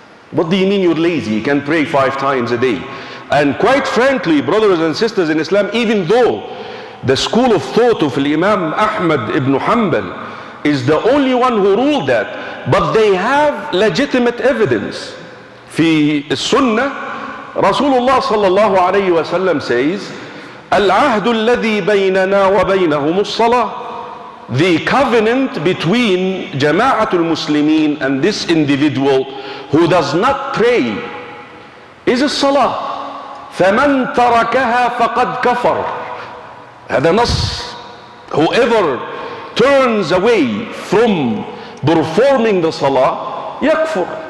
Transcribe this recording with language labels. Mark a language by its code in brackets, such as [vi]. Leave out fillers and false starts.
[en] What do you mean you're lazy? You can pray 5 times a day. And quite frankly, brothers and sisters in Islam, even though the school of thought of Imam Ahmad ibn Hanbal is the only one who ruled that, but they have legitimate evidence. [ar] في السنة رسول الله صلى الله عليه وسلم [en] says, [ar] العهد الذي بيننا وبينهم الصلاة. [en] The covenant between [ar] جماعة المسلمين [en] and this individual who does not pray is a salah. [ar] فمن تركها فقد كفر. هذا نص. [en] Whoever turns away from performing the salah, yakfur.